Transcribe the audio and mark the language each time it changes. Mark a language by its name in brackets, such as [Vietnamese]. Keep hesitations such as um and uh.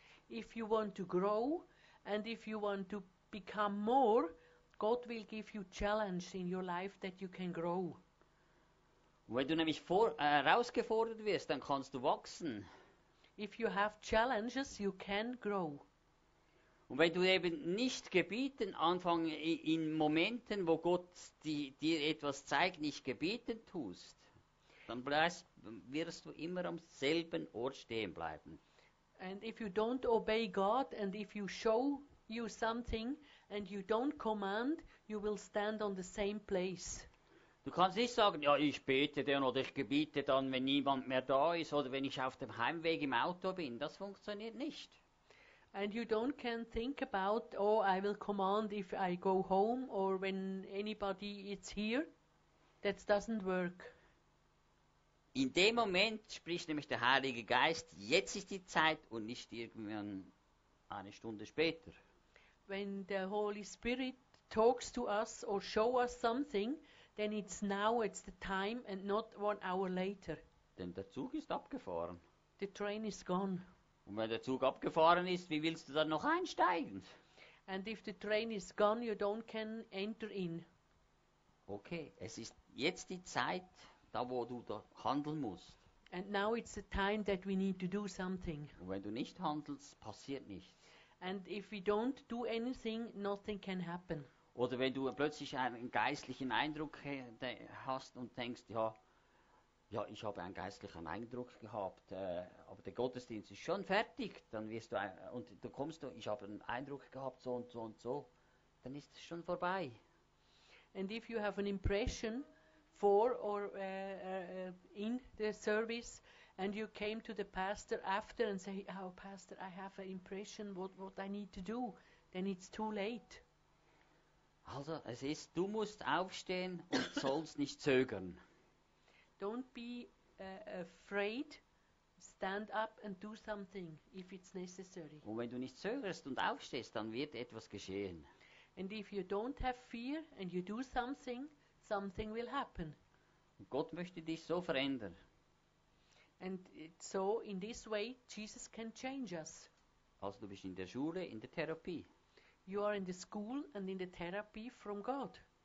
[English] If you want to grow and if you want to become more, God will give you challenges in your life that you can grow. [German] Wenn du nämlich herausgefordert äh, wirst, dann kannst du wachsen. [English] If you have challenges, you can grow. [German] Und wenn du eben nicht gebieten anfangen in Momenten, wo Gott die, dir etwas zeigt, nicht gebieten tust, dann bleibst, wirst du immer am selben Ort stehen bleiben. [English] And if you don't obey God and if you show you something, [German] Du kannst nicht sagen, ja, ich bete dann oder ich gebiete dann, wenn niemand mehr da ist oder wenn ich auf dem Heimweg im Auto bin. Das funktioniert nicht. [English] And you don't can think about, oh, I will command if I go home or when anybody is here. That doesn't work. [German] In dem Moment spricht nämlich der Heilige Geist, jetzt ist die Zeit und nicht irgendwann eine Stunde später [English] when the Holy Spirit talks to us [German] oder uns etwas zeigt, dann ist [English] now, it's the time and not one hour later. [German] Denn der Zug ist abgefahren. [English] The train is gone. [German] Und wenn der Zug abgefahren ist, wie willst du dann noch einsteigen? [English] And if the train is gone, you don't can enter in. [German] Okay, es ist jetzt die Zeit, da wo du da handeln musst. [English] And now it's the time that we need to do something. [German] Und wenn du nicht handelst, passiert nichts. [English] And if we don't do anything, nothing can happen. [German] Oder wenn du plötzlich einen geistlichen Eindruck hast und denkst, ja, ja, ich habe einen geistlichen Eindruck gehabt, äh, aber der Gottesdienst ist schon fertig, dann wirst du ein, und du kommst du, ich habe einen Eindruck gehabt so und so und so, dann ist es schon vorbei. [English] And if you have impression for or uh, uh, in the service and you came to the pastor after and say, "Oh, pastor, I have an impression. What what I need to do?" Then it's too late. [German] Also, es ist, du musst aufstehen und sollst nicht zögern. [English] Don't be uh, afraid. Stand up and do something if it's necessary. [German] Und wenn du nicht zögerst und aufstehst, dann wird etwas geschehen. [English] And if you don't have fear and you do something, something will happen. [German] Und Gott möchte dich so verändern. [English] And so in this way Jesus can change us. [German] Also du bist in der Schule in der Therapie. [English] You are in the school and in the therapy from God.